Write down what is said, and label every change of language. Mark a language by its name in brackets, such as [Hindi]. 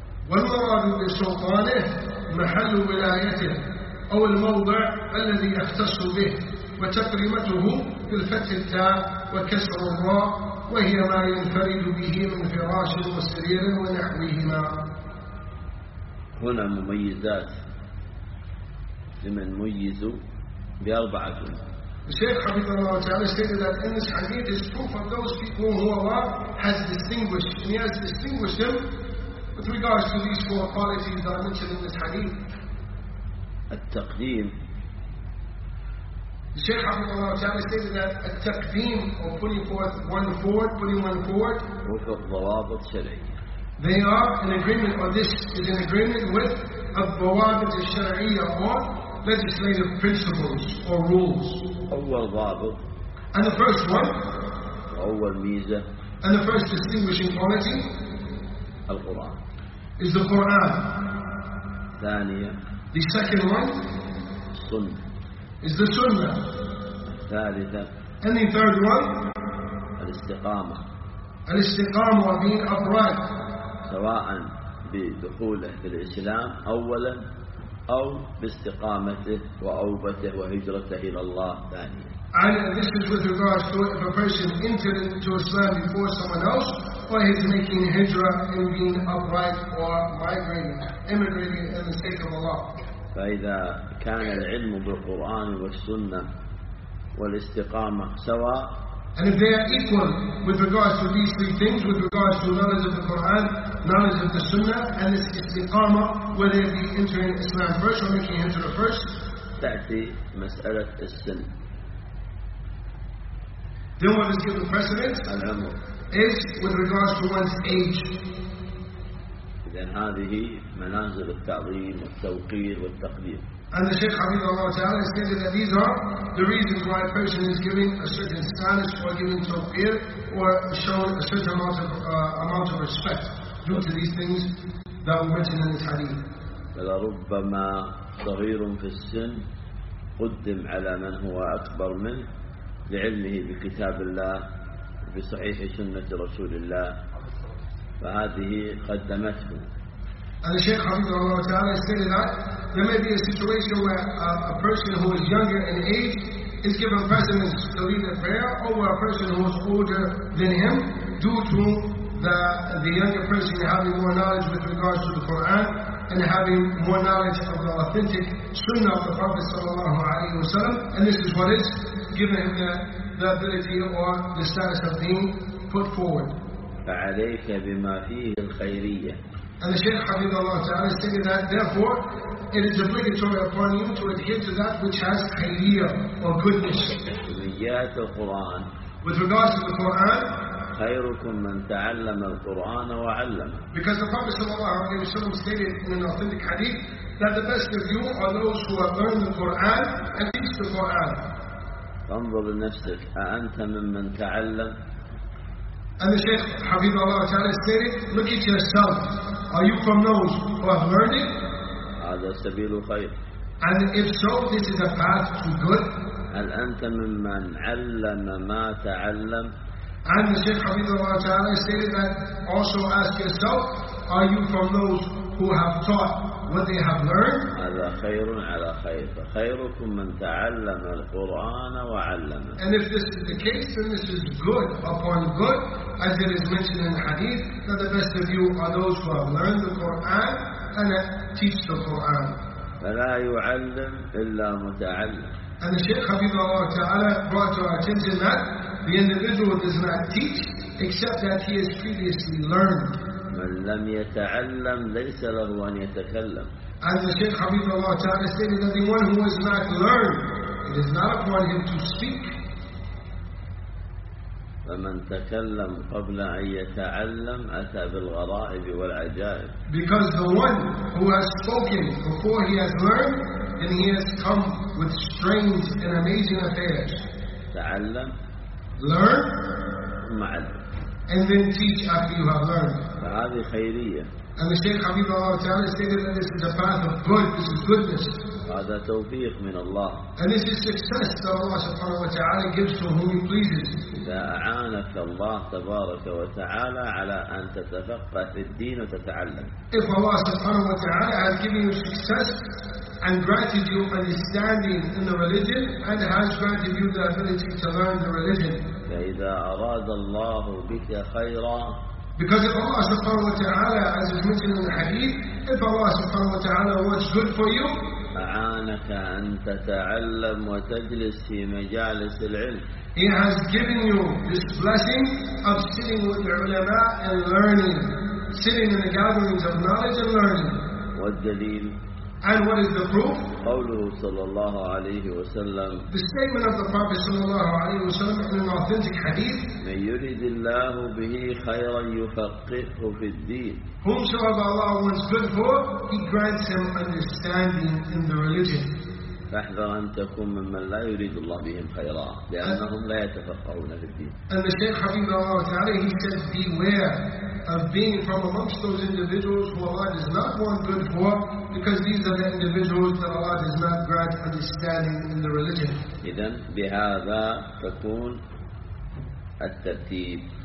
[Arabic] والمراد بسلطانه محل ولايته أو الموضع الذي يختص به وتكريمته بالفتح التاء وكسر الراء وهي ما ينفرد به من فراش وسرير ونحوهما. هنا مميزات لمن ميزوا بأربعة. الشيخ حبيب الله تعالى [English] stated that in this hadith is proof of those people who Allah has distinguished, and He has distinguished them with regards to these four qualities that are mentioned in this hadith. [Arabic] التقديم. الشيخ حبيب الله تعالى [English] stated that [Arabic] التقديم [English] or putting one forward [Arabic] وفق ضوابط شرعية. [English] They are in agreement, or this is in agreement with [Arabic] الضوابط الشرعية [English] or legislative principles or rules. [Arabic] أول ضابط. [English] And the first one. [Arabic] أول ميزة. [English] And the first distinguishing quality. [Arabic] القرآن. [English] Is the Quran. [Arabic] ثانية. [English] The second one. [Arabic] السنة. [English] Is the Sunnah. [Arabic] ثالثة. [English] And the third one. [Arabic] الاستقامة. الاستقامة [English] or being upright. [Arabic] سواء بدخوله في الإسلام أولا أو باستقامته وأوبته وهجرته إلى الله ثانيا. [English] And this is with regards to if a person entered into Islam before someone else, or he's making a hijra in being upright or migrating, immigrating in the sake of Allah. [Arabic] فإذا كان العلم بالقرآن والسنة والاستقامة سواء. [English] And if they are equal with regards to these three things, with regards to knowledge of the Quran, knowledge of the Sunnah, and this istiqama, whether it be entering Islam first or making hijra first. [Arabic] تأتي مسألة السن. [English] Then what is given precedent is with regards to one's age. [Arabic] إذن هذه منازل التعظيم والتوقير والتقدير. [English] And the Shaykh Habib Allah Ta'ala has stated that these are the reasons why a person is given a certain status or given tawqir or shown a certain amount of respect due to these things that were mentioned in this hadith. [Arabic] فلربما صغير في السن قدم على من هو أكبر منه لعلمه بكتاب الله بصحيح سنة رسول الله فهذه قدمته. [English] And the Shaykh Hafidhahu Allah Ta'ala stated that there may be a situation where a person who is younger in age is given precedence to lead the prayer over a person who is older than him due to the younger person having more knowledge with regards to the Quran and having more knowledge of the authentic Sunnah of the Prophet Sallallahu Alaihi Wasallam, and this is what is given him the ability or the status of being put forward. [Arabic] فعليك بما فيه الخيرية. [English] And the Shaykh Habib Allah Ta'ala stated that therefore it is obligatory upon you to adhere to that which has khayriya or goodness. Niyat al-Quran. With regards to the Quran, [Arabic] خيركم من تعلم القرآن وعلمه. [English] Because the Prophet Sallallahu Alaihi Wasallam stated in an authentic hadith that the best of you are those who have learned the Quran and teach the Quran. [Arabic] فانظر لنفسك أأنت ممن تعلم. [English] And the Shaykh Habib Allah Ta'ala stated, look at yourself. Are you from those who have learned it? [Arabic] هذا سبيل خير. [English] And if so, this is a path to good. [Arabic] هل أنت ممن علم ما تعلم؟ [English] And the Shaykh Habib Allah Ta'ala stated that also ask yourself, are you from those who have taught what they have learned? [Arabic] هذا خير على خير. خيركم من تعلم القرآن وعلمه. [English] And if this is the case, then this is good upon good, as it is mentioned in the hadith, that the best of you are those who have learned the Quran and teach the Quran. [Arabic] فلا يعلم إلا متعلم. [English] And the Shaykh Habib Allah Ta'ala brought to our attention that the individual does not teach except that he has previously learned. [Arabic] من لم يتعلم ليس له أن يتكلم. [English] And the Shaykh Habib Allah Ta'ala stated that the one who has not learned, it is not upon him to speak. [Arabic] فمن تكلم قبل أن يتعلم أتى بالغرائب والعجائب. [English] Because the one who has spoken before he has learned, then he has come with strange and amazing affairs. [Arabic] تعلم. [English] Learn. [Arabic] معلم. [English] And then teach after you have learned. [Arabic] فهذه خيرية. [English] And the Shaykh Habib Allah Ta'ala stated that this is a path of good, this is goodness. [Arabic] هذا توفيق من الله. [English] And this is success that Allah subhanahu wa ta'ala gives to whom he pleases. [Arabic] إذا أعانك الله تبارك وتعالى على أن تتفقه في الدين وتتعلم. [English] If Allah subhanahu wa ta'ala has given you success and granted you understanding in the religion and has granted you the ability to learn the religion. [Arabic] فإذا أراد الله بك خيرا. [English] Because if Allah subhanahu wa ta'ala, as is mentioned in the hadith, if Allah subhanahu wa ta'ala wants good for you, [Arabic] أعانك أن تتعلم وتجلس في مجالس العلم. [English] He has given you this blessing of sitting with the ulama and learning, sitting in the gatherings of knowledge and learning. [Arabic] والدليل. [English] And what is the proof? [Arabic] قوله صلى الله عليه وسلم. [English] The statement of the Prophet [Arabic] صلى الله عليه وسلم [English] in an authentic hadith. [Arabic] من يريد الله به خيرا يفقهه في الدين. [English] Whomsoever Allah wants good for, He grants him understanding in the religion. [Arabic] فاحذر أن تكون ممن لا يريد الله بهم خيرا لأنهم لا يتفقهون في الدين. [English] And the Shaykh Habib Allah Ta'ala, he said, beware of being from amongst those individuals who Allah does not want good for, because these are the individuals that Allah does not grant understanding in the religion. [Arabic] إذن بهذا تكون الترتيب.